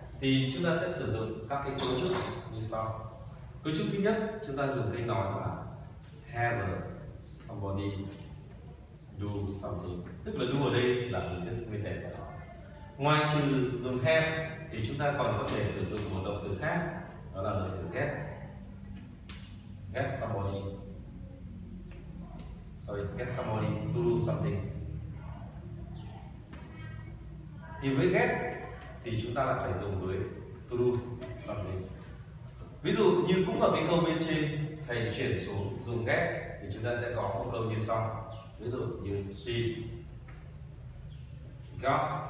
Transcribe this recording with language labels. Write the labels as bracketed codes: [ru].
[vi] Thì chúng ta sẽ sử dụng các cái cấu trúc như sau. Cấu trúc thứ nhất chúng ta dùng cái nói là [en] have a somebody do something, [vi] tức là do ở đây là hình thức nguyên thể của nó. Ngoài trừ dùng have thì chúng ta còn có thể sử dụng một động từ khác, đó là động từ get. [en] Get somebody, sorry, get somebody to do something. [vi] Thì với get thì chúng ta lại phải dùng với [en] to do something. [vi] Ví dụ như cũng ở cái câu bên trên, thầy chuyển xuống dùng get thì chúng ta sẽ có một câu như sau. Ví dụ như [en] she got.